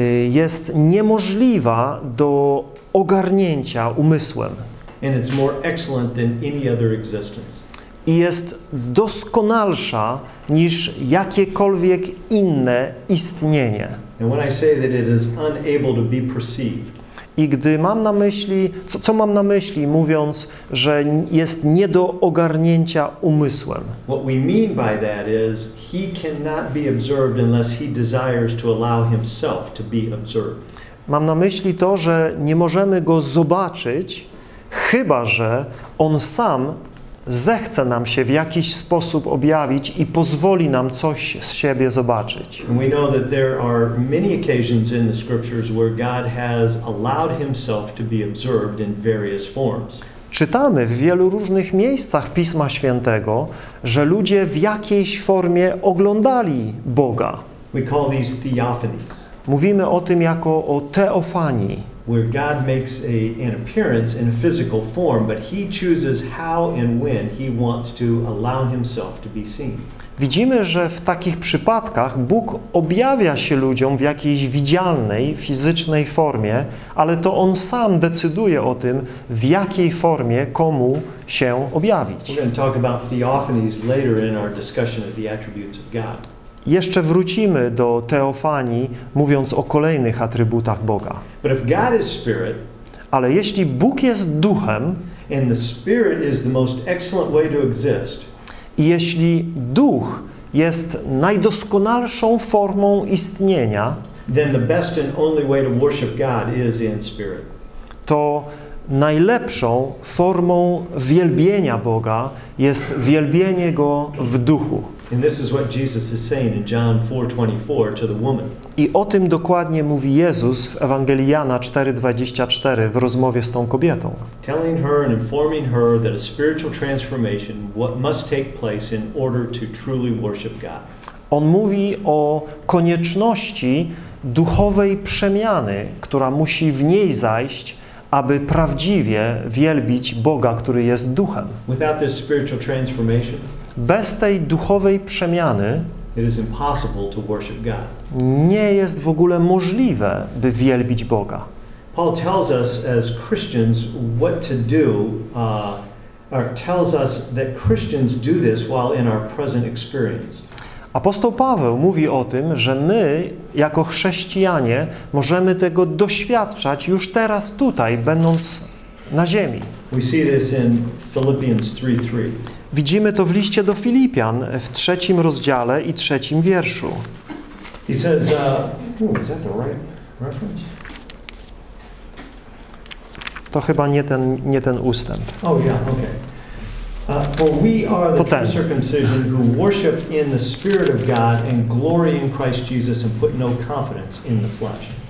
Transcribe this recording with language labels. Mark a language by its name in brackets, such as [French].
[Polish] Jest niemożliwa do ogarnięcia umysłem. [English] And it's more excellent than any other existence. [Polish] I jest doskonalsza niż jakiekolwiek inne istnienie. [English] And when I say that it is unable to be perceived. [Polish] I gdy mam na myśli, co mam na myśli, mówiąc, że jest nie do ogarnięcia umysłem. [English] What we mean by that is he cannot be observed unless he desires to allow himself to be observed. [Polish] Mam na myśli to, że nie możemy go zobaczyć, chyba że on sam zechce nam się w jakiś sposób objawić i pozwoli nam coś z siebie zobaczyć. [English] We know that there are many occasions in the scriptures where God has allowed himself to be observed in various forms. [Polish] Czytamy w wielu różnych miejscach Pisma Świętego, że ludzie w jakiejś formie oglądali Boga. [English] We call these theophanies. [Polish] Mówimy o tym jako o teofanii. [English] Where God makes an appearance in a physical form, but he chooses how and when he wants to allow himself to be seen. [Polish] Widzimy, że w takich przypadkach Bóg objawia się ludziom w jakiejś widzialnej, fizycznej formie, ale to on sam decyduje o tym, w jakiej formie komu się objawić. [English] We're going to talk about theophanies later in our discussion of the attributes of God. [Polish] Jeszcze wrócimy do teofanii, mówiąc o kolejnych atrybutach Boga. [English] But if God is spirit, [Polish] ale jeśli Bóg jest duchem, [English] and the spirit is the most excellent way to exist, [Polish] i jeśli duch jest najdoskonalszą formą istnienia, [English] then the best and only way to worship God is in spirit. [Polish] To najlepszą formą wielbienia Boga jest wielbienie Go w duchu. [English] And this is what Jesus is saying in John 4:24 to the woman. [Polish] I o tym dokładnie mówi Jezus w Ewangelii Jana 4:24 w rozmowie z tą kobietą. [English] Telling her and informing her that a spiritual transformation must take place in order to truly worship God. [Polish] On mówi o konieczności duchowej przemiany, która musi w niej zajść, aby prawdziwie wielbić Boga, który jest duchem. [English] Without this spiritual transformation, [Polish] bez tej duchowej przemiany [English] it is impossible to worship God. [Polish] Nie jest w ogóle możliwe, by wielbić Boga. [English] Paul tells us as Christians what to do, or tells us that Christians do this while in our present experience. [Polish] Apostoł Paweł mówi o tym, że my jako chrześcijanie możemy tego doświadczać już teraz tutaj, będąc na ziemi. [English] We see this in Philippians 3:3. [Polish] Widzimy to w liście do Filipian w 3 rozdziale i 3 wierszu. [English] He says, is that the right reference? [Polish] To chyba nie ten ustęp. [English] Oh yeah, okay. For we are the true circumcision who worship in the Spirit of God and glory in Christ Jesus and put no confidence in the flesh.